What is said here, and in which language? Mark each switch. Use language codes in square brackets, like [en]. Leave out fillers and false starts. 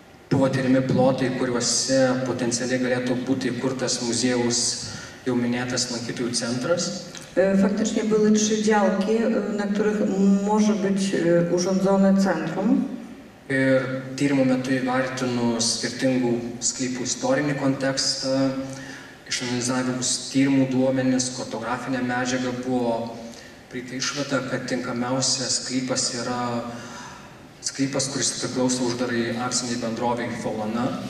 [lt] Buvo tyrimi plotai, kuriuose potencialiai galėtų būti įkurtas muziejus, jau minėtas lankytojų centras. [pl] Faktycznie były trzy działki, na których może być urządzone centrum. [lt] Ir tyrimo metu įvertinu skirtingų sklypų istorinį kontekstą, išanalizavimus tyrimų duomenis, kartografinė medžiaga buvo prieita išvada, kad tinkamiausias sklypas yra sklypas, kuris priklauso uždarai akcinei bendrovei Folana.